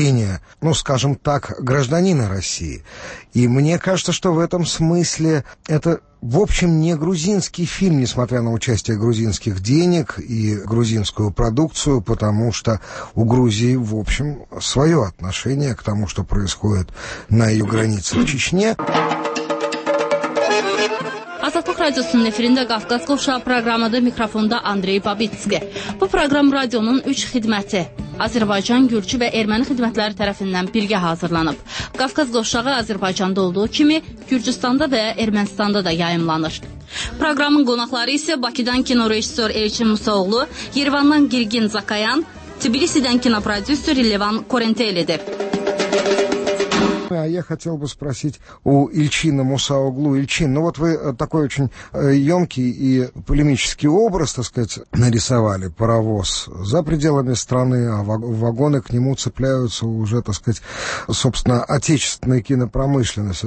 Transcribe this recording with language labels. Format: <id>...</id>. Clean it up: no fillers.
<ru>зрения, ну, скажем так, гражданина России. И мне кажется, что в этом смысле это, в общем, не грузинский фильм, несмотря на участие грузинских денег и грузинскую продукцию, потому что у Грузии, в общем, свое отношение к тому, что происходит на ее границе в Чечне.</ru> <az>Азатлык Радиосunun efirində Qafqaz Qovşağı proqramında mikrofonda Andrey Babitski. Bu proqram radionun 3 xidməti. Azərbaycan, Gürcü və Erməni xidmətləri tərəfindən birgə hazırlanıb. Qafqaz Qovşağı Azərbaycanda olduğu kimi Gürcüstanda və Ermənistanda da yayımlanır. Proqramın qonaqları isə Bakıdan kinorejissor Elçin Musaoğlu, Yerevandan Girgin Zakayan, Tbilisidən kinoprodüser Levan Korenteli'dir.</az> <ru>А я хотел бы спросить у Ильчина Мусаоглу. Ильчин, ну вот вы такой очень емкий и полемический образ, так сказать, нарисовали. Паровоз за пределами страны, а вагоны к нему цепляются уже, так сказать, собственно, отечественной кинопромышленности.</ru>